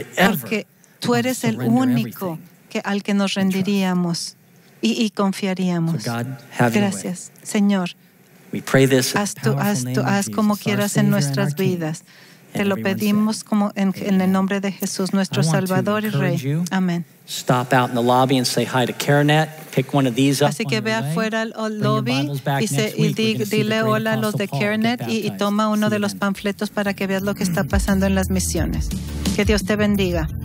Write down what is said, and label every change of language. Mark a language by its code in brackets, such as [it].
[es] Porque tú eres el único al que nos rendiríamos y confiaríamos. Gracias, Señor. [en] We pray this [es] as haz como quieras en nuestras vidas. Te lo pedimos como en el nombre de Jesús, nuestro Salvador y Rey. Amén. [en] Stop out in the lobby and say hi to Karenette. Pick one of these up. [es] Así que ve afuera al lobby y dile hola a los de Karenette y toma uno de los panfletos para que veas lo que está pasando en las misiones. Que Dios te bendiga.